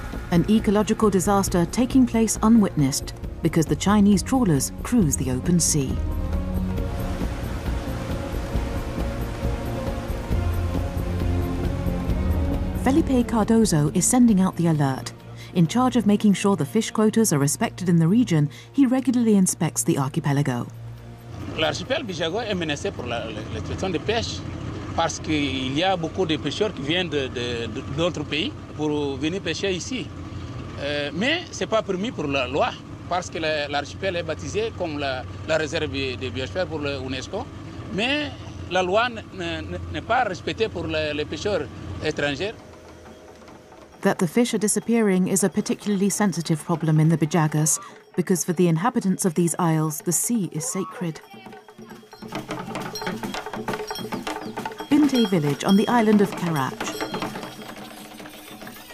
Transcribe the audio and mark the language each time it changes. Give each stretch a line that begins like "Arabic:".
English: An ecological disaster taking place unwitnessed, because the Chinese trawlers cruise the open sea. Felipe Cardozo is sending out the alert. In charge of making sure the fish quotas are respected in the region, he regularly inspects the archipelago.
French: L'archipel Bijago est menacé pour la traitement de pêche parce qu'il y a beaucoup de pêcheurs qui viennent d'autres pays pour venir pêcher ici. Mais c'est pas permis pour la loi. Parce que l'archipel est baptisé comme la réserve de biosphère pour l'UNESCO, mais la loi n'est pas respectée pour les pêcheurs étrangers.
English: That the fish are disappearing is a particularly sensitive problem in the Bijagos, because for the inhabitants of these isles, the sea is sacred. Binte village on the island of Karach.